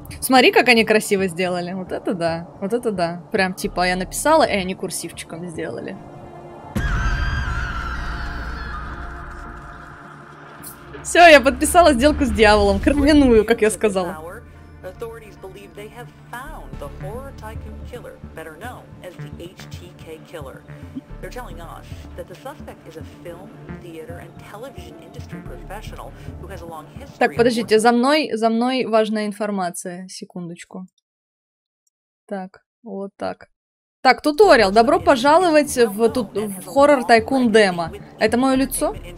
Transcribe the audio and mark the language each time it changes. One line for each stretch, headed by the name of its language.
Russian: Смотри, как они красиво сделали. Вот это да. Вот это да. Прям типа я написала, и они курсивчиком сделали. Все, я подписала сделку с дьяволом. Кровяную, как я сказала.
English: Authorities believe they have found the horror tycoon killer, better known as the HTK killer. They're telling us that the suspect is a film, theater, and television industry professional who has a long history.
Russian: Так, подождите, за мной важная информация. Секундочку. Так, вот так. Так, туториал. Добро пожаловать в Horror Tycoon Demo. Это мое лицо?